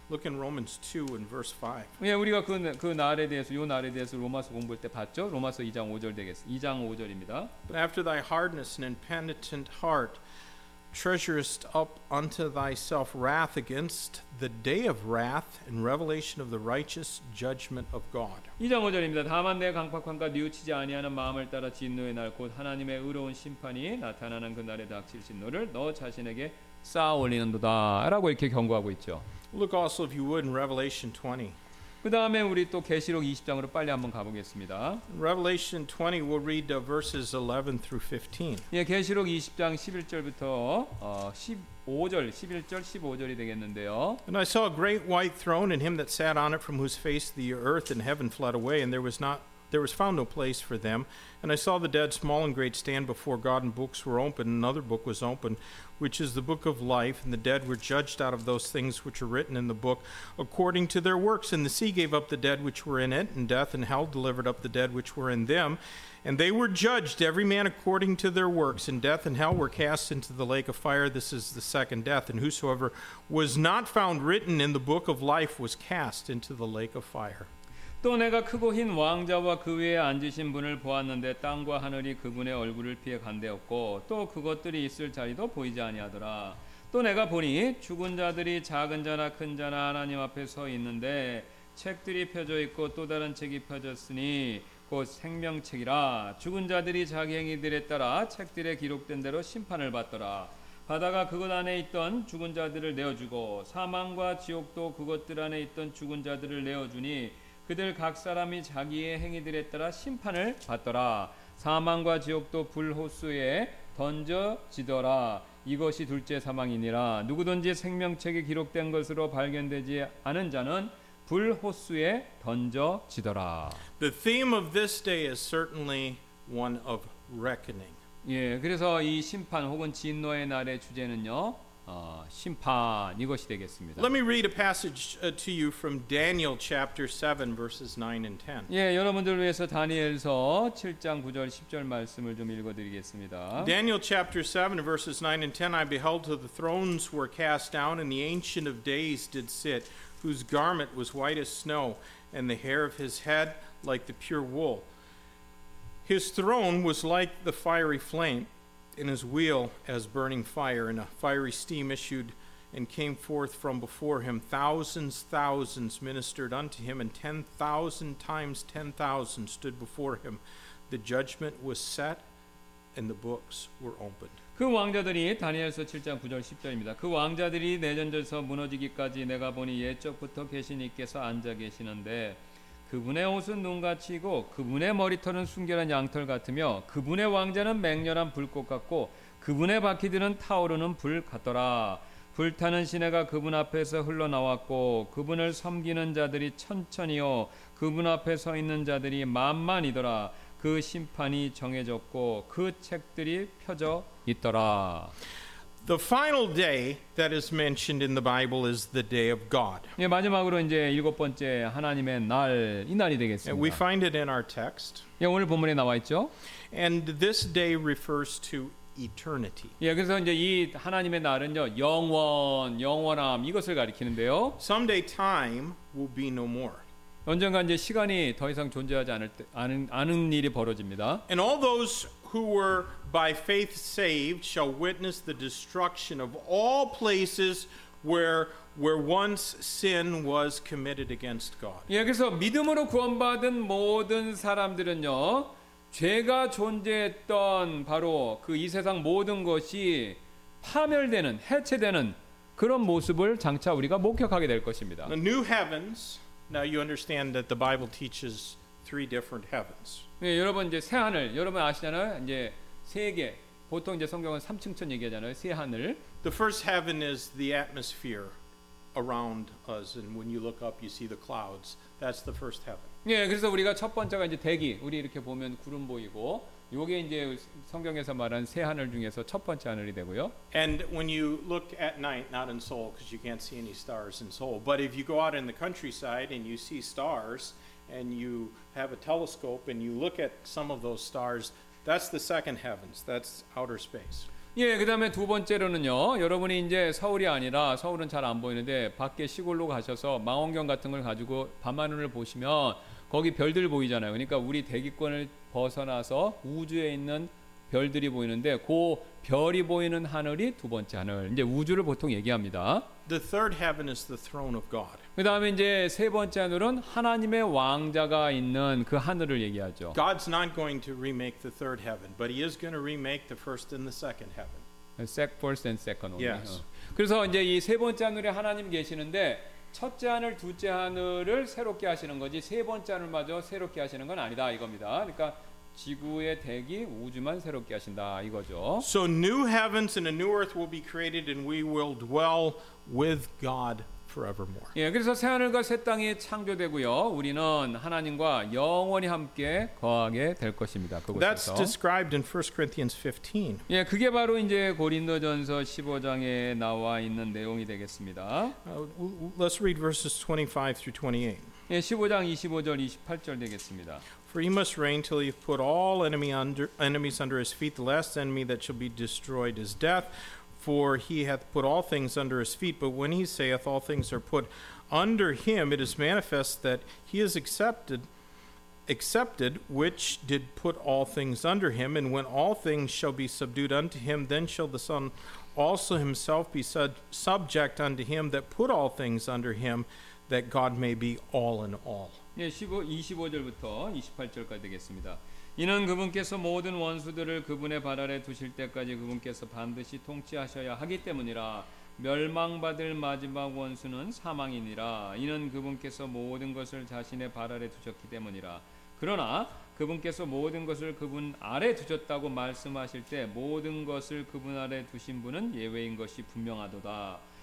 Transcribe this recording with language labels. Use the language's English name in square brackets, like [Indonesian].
[English] Look in Romans 2 and verse 5. [Korean] 예, 우리가 그 날에 대해서 요 날에 대해서 로마서 공부할 때 봤죠. 로마서 2장 5절 되겠습니다. 2장 5절입니다. [English] But after thy hardness and impenitent heart treasurest up unto thyself wrath against the day of wrath and revelation of the righteous judgment of God. [Korean] 2장 5절입니다. 다만 내 강팍함과 뉘우치지 아니하는 마음을 따라 진노의 날 곧 하나님의 의로운 심판이 나타나는 그날에 닥칠 진노를 너 자신에게 쌓아 올리는도다 라고 이렇게 경고하고 있죠. [English] Look also if you would in Revelation 20. [Korean] 그 다음에 우리 또 계시록 20장으로 빨리 한번 가보겠습니다. [English] Revelation 20, we'll read the verses 11 through 15. [Korean] 예, 계시록 20장 11절부터 15절, 11절, 15절이 되겠는데요. [English] And I saw a great white throne and him that sat on it from whose face the earth and heaven fled away and there was found no place for them. And I saw the dead small and great stand before God and books were opened. Another book was opened, which is the book of life. And the dead were judged out of those things which are written in the book according to their works. And the sea gave up the dead which were in it, and death and hell delivered up the dead which were in them. And they were judged, every man according to their works. And death and hell were cast into the lake of fire. This is the second death. And whosoever was not found written in the book of life was cast into the lake of fire. [Korean] 또 내가 크고 흰 왕좌와 그 위에 앉으신 분을 보았는데 땅과 하늘이 그분의 얼굴을 피해 간대었고 또 그것들이 있을 자리도 보이지 아니하더라. 또 내가 보니 죽은 자들이 작은 자나 큰 자나 하나님 앞에 서 있는데 책들이 펴져 있고 또 다른 책이 펴졌으니 곧 생명책이라. 죽은 자들이 자기 행위들에 따라 책들에 기록된 대로 심판을 받더라. 바다가 그것 안에 있던 죽은 자들을 내어주고 사망과 지옥도 그것들 안에 있던 죽은 자들을 내어주니 그들 각 사람이 자기의 행위들에 따라 심판을 받더라. 사망과 지옥도 불호수에 던져지더라. 이것이 둘째 사망이니라. 누구든지 생명책에 기록된 것으로 발견되지 않은 자는 불호수에 던져지더라. [English] The theme of this day is certainly one of reckoning. [Korean] 예, 그래서 이 심판 혹은 진노의 날의 주제는요. 심판 이것이 되겠습니다. [English] Let me read a passage to you from Daniel chapter 7 verses 9 and 10. [Korean] 예, 여러분들 위해서 다니엘서 7장 9절 10절 말씀을 좀 읽어 드리겠습니다. [English] Daniel chapter 7 verses 9 and 10 I beheld till the thrones were cast down and the ancient of days did sit whose garment was white as snow and the hair of his head like the pure wool. His throne was like the fiery flame. In his wheel as burning fire, and a fiery steam issued and came forth from before him. Thousands, thousands ministered unto him, and 10,000 times 10,000 stood before him. The judgment was set, and the books were opened. [Korean] 그 왕자들이 다니엘서 7장 9절 10절입니다. 그 왕자들이 내전절서 무너지기까지 내가 보니 옛적부터 계신 이께서 앉아 계시는데 그분의 옷은 눈같이고 그분의 머리털은 순결한 양털 같으며 그분의 왕좌는 맹렬한 불꽃 같고 그분의 바퀴들은 타오르는 불 같더라. 불타는 시내가 그분 앞에서 흘러나왔고 그분을 섬기는 자들이 천천히요 그분 앞에 서 있는 자들이 만만이더라. 그 심판이 정해졌고 그 책들이 펴져 있더라. [English] The final day that is mentioned in the Bible is the day of God. [Korean] 예, 마지막으로 이제 일곱 번째 하나님의 날, 이 날이 되겠습니다. [English] We find it in our text. [Korean] 예, 오늘 본문에 나와 있죠. [English] And this day refers to eternity. [Korean] 예, 그래서 이제 이 하나님의 날은요, 영원, 영원함 이것을 가리키는데요. [English] Someday time will be no more. [Korean] 언젠가 이제 시간이 더 이상 존재하지 않을 때, 아는 일이 벌어집니다. [English] And all those who were by faith saved shall witness the destruction of all places where once sin was committed against God. [Korean] 예, 그래서 믿음으로 구원받은 모든 사람들은요, 죄가 존재했던 바로 그 이 세상 모든 것이 파멸되는, 해체되는 그런 모습을 장차 우리가 목격하게 될 것입니다. [English] The new heavens. Now you understand that the Bible teaches three different heavens. [Korean] 네, 여러분 이제 새 하늘, 여러분 아시잖아요. 이제 세 개. 보통 이제 성경은 3층천 얘기하잖아요. 새 하늘. [English] The first heaven is the atmosphere around us, and when you look up, you see the clouds. That's the first heaven. [Korean] 네, 그래서 우리가 첫 번째가 이제 대기. 우리 이렇게 보면 구름 보이고, 이게 이제 성경에서 말한 새 하늘 중에서 첫 번째 하늘이 되고요. [English] And when you look at night, not in Seoul, because you can't see any stars in Seoul, but if you go out in the countryside and you see stars, and you have a telescope and you look at some of those stars, that's the second heavens. That's outer space. [Korean] 예, 그다음에 두 번째로는요. 여러분이 이제 서울이 아니라 서울은 잘 안 보이는데 밖에 시골로 가셔서 망원경 같은 걸 가지고 밤하늘을 보시면 거기 별들 보이잖아요. 그러니까 우리 대기권을 벗어나서 우주에 있는 별들이 보이는데 그 별이 보이는 하늘이 두 번째 하늘. 이제 우주를 보통 얘기합니다. [English] The third heaven is the throne of God. [Korean] 그다음에 이제 세 번째 하늘은 하나님의 왕좌가 있는 그 하늘을 얘기하죠. [English] God's not going to remake the third heaven, but he is going to remake the first and the second heaven. First and second only. Yes. [Korean] 그래서 이제 이 세 번째 하늘에 하나님 계시는데 첫째 하늘, 둘째 하늘을 새롭게 하시는 거지 세 번째 하늘마저 새롭게 하시는 건 아니다 이겁니다. 그러니까 지구의 대기 우주만 새롭게 하신다 이거죠. [English] So new heavens and a new earth will be created and we will dwell with God forevermore. [Korean] 예, 그래서 새 하늘과 새 땅이 창조되고요. 우리는 하나님과 영원히 함께 거하게 될 것입니다. 그곳에서. [English] That's described in 1 Corinthians 15. [Korean] 예, 그게 바로 이제 고린도전서 15장에 나와 있는 내용이 되겠습니다. [English] Let's read verses 25 through 28. [Korean] 예, 15장 25절 28절 되겠습니다. [English] For he must reign till he put all enemies under his feet. The last enemy that shall be destroyed is death. For he hath put all things under his feet. But when he saith all things are put under him, it is manifest that he is accepted which did put all things under him. And when all things shall be subdued unto him, then shall the Son also himself be subject unto him that put all things under him, that God may be all in all. [Korean] 예, 25절부터 28절까지 되겠습니다. 이는 그분께서 모든 원수들을 그분의 발 아래 두실 때까지 그분께서 반드시 통치하셔야 하기 때문이라 멸망받을 마지막 원수는 사망이니라 이는 그분께서 모든 것을 자신의 발 아래 두셨기 때문이라 그러나 그분께서 모든 것을 그분 아래 두셨다고 말씀하실 때 모든 것을 그분 아래 두신 분은 예외인 것이 분명하도다